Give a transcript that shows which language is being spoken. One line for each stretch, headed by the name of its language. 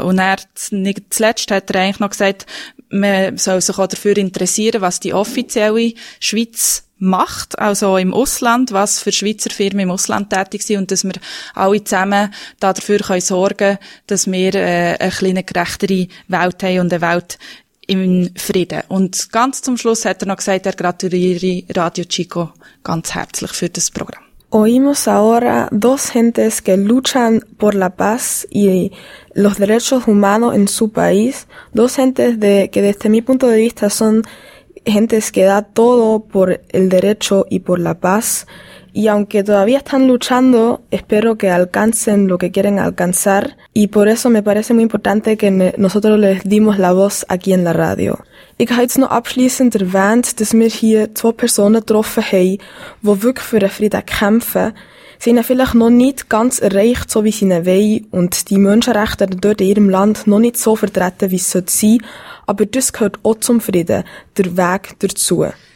German: Und er, nicht zuletzt, hat er eigentlich noch gesagt, man soll sich auch dafür interessieren, was die offizielle Schweiz macht, also im Ausland, was für Schweizer Firmen im Ausland tätig sind und dass wir alle zusammen dafür sorgen können, dass wir eine kleine gerechtere Welt haben und eine Welt im Frieden. Und ganz zum Schluss hat er noch gesagt, er gratuliere Radio Chico ganz herzlich für das Programm.
Spanish: Oímos ahora dos gentes que luchan por la paz y los derechos humanos en su país. Dos gentes que desde mi punto de vista son gentes que da todo por el derecho y por la paz. y aunque todavía están luchando, espero que alcancen lo que quieren alcanzar y por eso me parece muy importante que nosotros les dimos la voz aquí en la radio.
German: Ich habe jetzt noch abschließend erwähnt, dass wir hier zwei Personen getroffen haben, die wirklich für den Frieden kämpfen. Sie haben vielleicht noch nicht ganz erreicht, so wie sie ihn wollen, und die Menschenrechte dort in ihrem Land noch nicht so vertreten, wie es sein sollte. Aber das gehört auch zum Frieden, der Weg dazu.